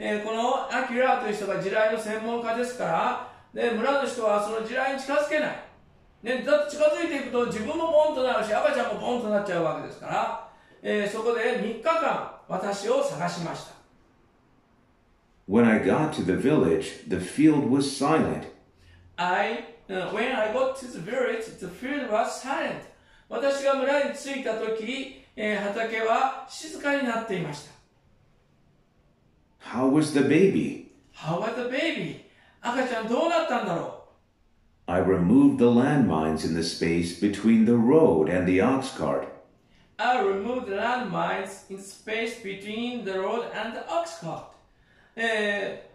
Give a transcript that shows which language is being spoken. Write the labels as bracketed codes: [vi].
[ja] このアキラという人が地雷の専門家ですから、で村の人はその地雷に近づけない、ね、だって近づいていくと自分もボンとなるし赤ちゃんもボンとなっちゃうわけですから、そこで3日間私を探しました。 [en] When I got to the village, the field was silent. When I got to the village, the field was silent. [ja] 私が村に着いた時、畑は静かになっていました。 [en] How was the baby? How was the baby? [ja] 赤ちゃんどうなったんだろう。 [en] I removed the landmines in the space between the road and the ox cart. I removed the landmines in the space between the road and the ox cart.